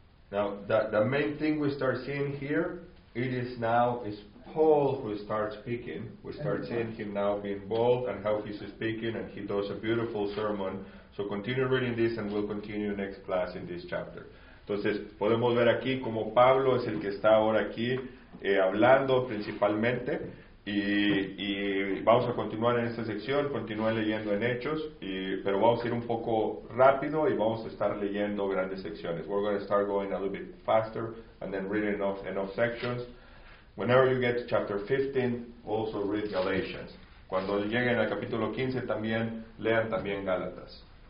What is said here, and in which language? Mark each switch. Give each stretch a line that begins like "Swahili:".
English: Now, the main thing we start seeing here, it is now is Paul who starts speaking. We start seeing him now being bold and how he's speaking, and he does a beautiful sermon. So continue reading this, and we'll continue next class in this chapter.
Spanish: Entonces, podemos ver aquí como Pablo es el que está ahora aquí hablando principalmente. Y vamos a continuar en esta sección, continuar leyendo en Hechos, pero vamos a ir un poco rápido y vamos a estar leyendo grandes secciones.
English: We're going to start going a little bit faster and then reading enough sections. Whenever you get to chapter 15, also read Galatians.
Spanish: Cuando lleguen al capítulo 15, también lean también Gálatas.